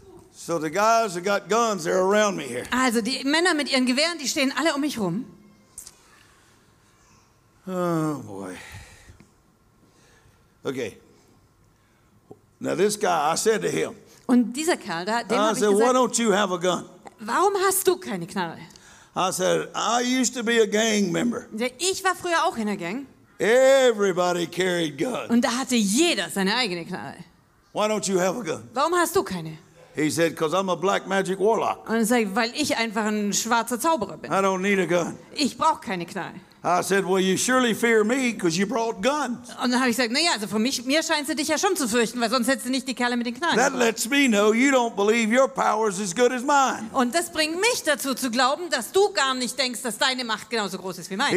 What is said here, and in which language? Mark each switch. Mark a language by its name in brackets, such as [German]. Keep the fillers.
[English] So the guys have got guns, they're around me here. [German] Also die Männer mit ihren Gewehren, die stehen alle um mich rum. [English] Oh boy. Okay. Now this guy, I said to him. [German] Und dieser Kerl da, dem [English] I said, [German] gesagt, [English] Why don't you have a gun? [German] Warum hast du keine Knarre? [English] I said, I used to be a gang member. [German] Ich war früher auch in der Gang. [English] Everybody carried guns. [German] Und da hatte jeder seine eigene Knarre. [English] Why don't you have a gun? [German] Warum hast du keine? [English] He said, "Cause I'm a black magic warlock." [German] Und er sagt, weil ich einfach ein schwarzer Zauberer bin. [English] I don't need a gun. [German] Ich brauche keine Knarre. Und dann habe ich gesagt, na ja, also für mich, mir scheinst du dich ja schon zu fürchten, weil sonst hättest du nicht die Kerle mit den Knallen. [English] That lets me know you don't believe your power is as good as mine. [German] Und das bringt mich dazu zu glauben, dass du gar nicht denkst, dass deine Macht genauso groß ist wie meine.